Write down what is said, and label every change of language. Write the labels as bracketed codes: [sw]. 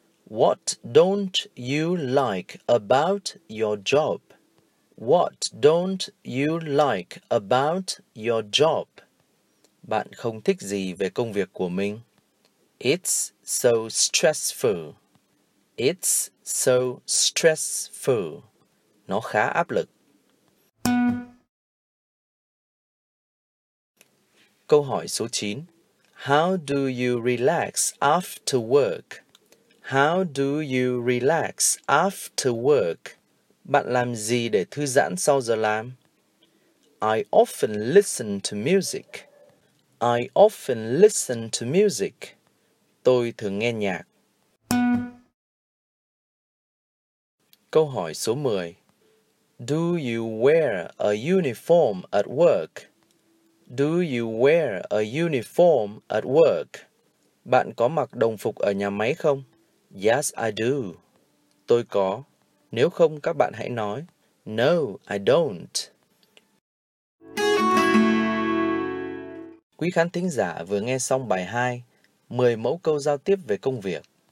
[en] What don't you like about your job? What don't you like about your job? [vi] Bạn không thích gì về công việc của mình? [en] It's so stressful. It's so stressful. [vi] Nó khá áp lực. Câu hỏi số 9. [en] How do you relax after work? How do you relax after work? [vi] Bạn làm gì để thư giãn sau giờ làm? [en] I often listen to music. I often listen to music. [vi] Tôi thường nghe nhạc. Câu hỏi số 10. [en] Do you wear a uniform at work? Do you wear a uniform at work? [vi] Bạn có mặc đồng phục ở nhà máy không? [en] Yes, I do. [vi] Tôi có. Nếu không, các bạn hãy nói. [en] No, I don't. [vi] Quý khán thính giả vừa nghe xong bài 2, 10 mẫu câu giao tiếp về công việc.